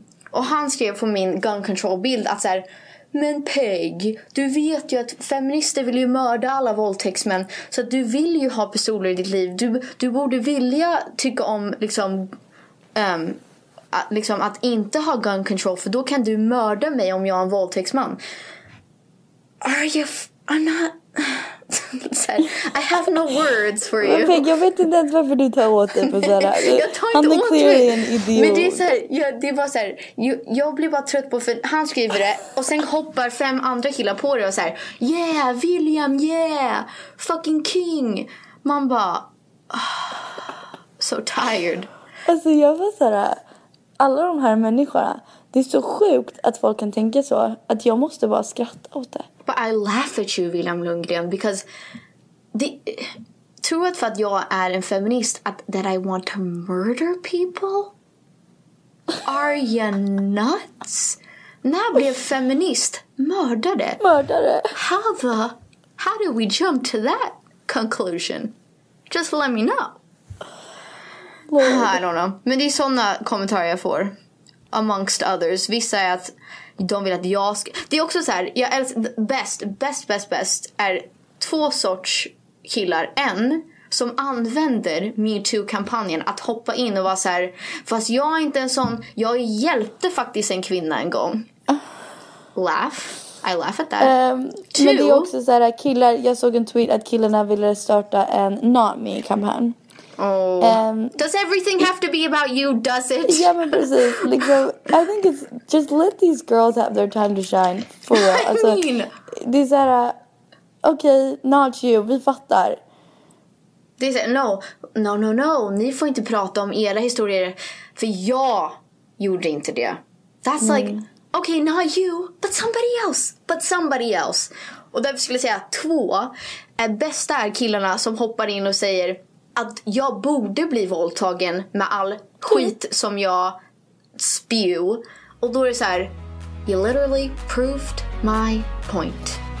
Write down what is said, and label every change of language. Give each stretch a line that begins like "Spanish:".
Swedish: Och han skrev på min gun control bild att så här, men Peg, du vet ju att feminister vill ju mörda alla våldtäktsmän, så att du vill ju ha pistoler i ditt liv. Du borde vilja tycka om liksom... liksom att inte ha gun control, för då kan du mörda mig om jag är en våldtäktsman.
English: Are you I'm not said, I have no words for you.
Swedish: Men jag vet inte ens varför du tar åt dig på så här. Jag tar inte åt dig. Men det är så här, det är bara så här, jag blir bara trött på, för han skriver det och sen hoppar fem andra killar på det och så här,
English: yeah, William, yeah, fucking king.
Swedish: Man bara, oh,
English: so tired.
Swedish: Alltså jag var så här, alla de här människorna, det är så sjukt att folk kan tänka så, att jag måste bara skratta åt det.
English: But I laugh at you, William Lundgren, because
Swedish: tror att för att jag är en feminist att
English: that I want to murder people? Are you nuts?
Swedish: När blev feminist mördare? Mördare.
English: How do we jump to that conclusion? Just let me know. I don't know.
Swedish: Men det är sådana kommentarer jag får.
English: Amongst others.
Swedish: Vissa är att de vill att jag ska... Det är också så här, jag älskar bäst är två sorts killar. En som använder MeToo-kampanjen att hoppa in och vara så här, fast jag är inte en sån, jag hjälpte faktiskt en kvinna en gång.
English: Laugh. I laugh at that.
Swedish: Men det är också så här, killar, jag såg en tweet att killarna ville starta en Not Me-kampanj. Oh.
English: Does everything have to be about you, does it? Yeah, but precis. Like, so, I think it's just let these girls have their time to shine. For real.
Swedish: Alltså, det är såhär, okay,
English: not you,
Swedish: vi fattar. Det är såhär, no, ni får inte prata om era historier, för jag gjorde inte det.
English: That's like, Okay, not you, but somebody else. But somebody else.
Swedish: Och därför skulle jag säga att två är bästa är killarna som hoppar in och säger att jag borde bli våldtagen med all skit som jag spew. Och då är det så här,
English: you literally proved my point.